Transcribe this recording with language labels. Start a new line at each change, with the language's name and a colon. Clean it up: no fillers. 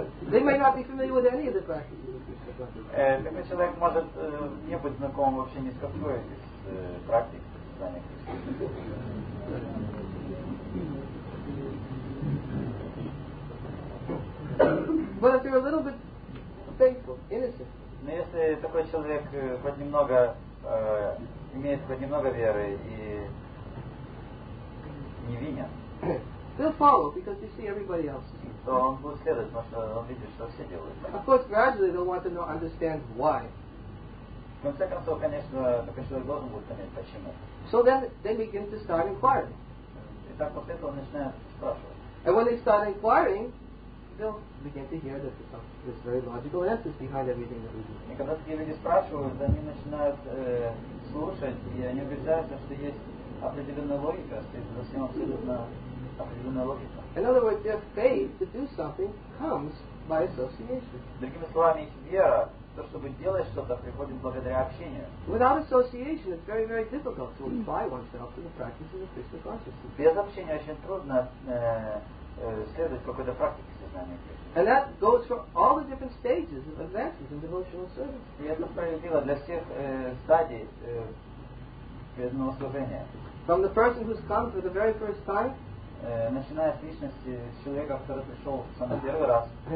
English: They may not be familiar with any of the practices.
Russian: Такой человек может не быть знаком вообще ни с какой из практик.
English: But if you're a little bit faithful, innocent.
Russian: Но если такой человек хоть немного имеет хоть немного веры и невинен,
English: they'll follow because they see everybody else.
Russian: То он будет следовать, потому что он видит, что все делают.
English: Of course, gradually they'll want to know, understand why.
Russian: В конце концов, конечно, такой человек должен будет понять, почему.
English: So then they begin to start inquiring.
Russian: Итак, после этого начинают спрашивать.
English: And when they start inquiring, they'll begin to hear that there's very logical answers behind everything that we do.
Russian: И когда такие люди спрашивают, они начинают слушать, и они убеждаются, что есть определенная логика, стоит за всем абсолютно определенная логика.
English: In other words, their faith to do something comes by association.
Russian: Другими словами, их вера, то, чтобы делать что-то, приходит благодаря общению.
English: Without association, it's very, very difficult to apply oneself to the practice of Krishna consciousness.
Russian: Без общения очень трудно следовать какой-то практике сознания Кришны.
English: And that goes for all the different stages of advances in devotional service.
Russian: И это справедливо для всех стадий преданного служения.
English: From the person who's come for the very first time,
Russian: начиная с личности человека, который пришел в самый первый раз,